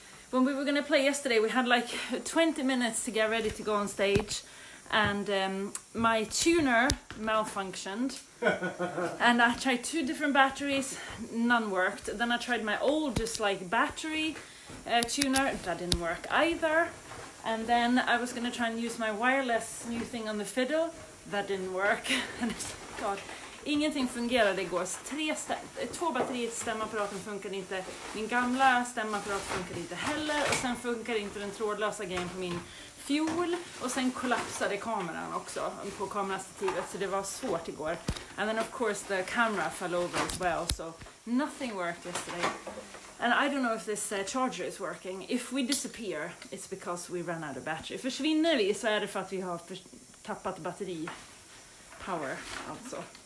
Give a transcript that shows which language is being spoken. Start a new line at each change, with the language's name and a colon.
English: When we were going to play yesterday, we had like 20 minutes to get ready to go on stage, and my tuner malfunctioned, and I tried two different batteries, none worked. Then I tried my old just like battery tuner, that didn't work either, and then I was going to try and use my wireless new thing on the fiddle, that didn't work, and God.
Swedish: Ingenting fungerade igår. Två batterier till stämapparaten funkade inte. Min gamla stämapparat funkade inte heller. Och sen funkade inte den trådlösa grejen på min fjol. Och sen kollapsade kameran också på kamerastativet. Så det var svårt igår.
English: And then of course the camera fell over as well. So nothing worked yesterday. And I don't know if this charger is working. If we disappear, it's because we ran out of battery.
Swedish: Försvinner vi så är det för att vi har tappat batteri power alltså.